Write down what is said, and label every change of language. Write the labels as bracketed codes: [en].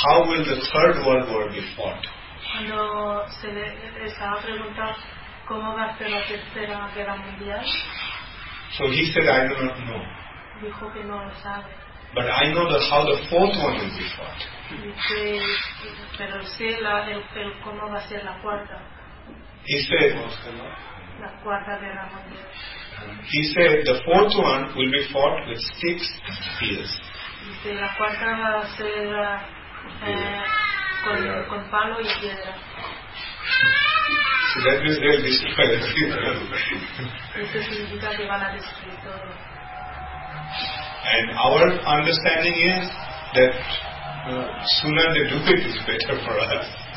[en] how will the third world war be fought? [es] Cuando se estaba preguntando cómo va a ser la tercera guerra mundial. [en] So he said, I do not know. [es] Dijo que no lo sabe. [en] But I know that how the fourth one will be fought. [es] Dice, pero sé la el cómo va a ser la cuarta. [en] He said, [es] la cuarta guerra mundial. [en] He said the fourth one will be fought with six spears. [es] Dice la cuarta va a ser con palo y piedra. [en] So that means they'll destroy the and our understanding is that sooner they do it is better for us.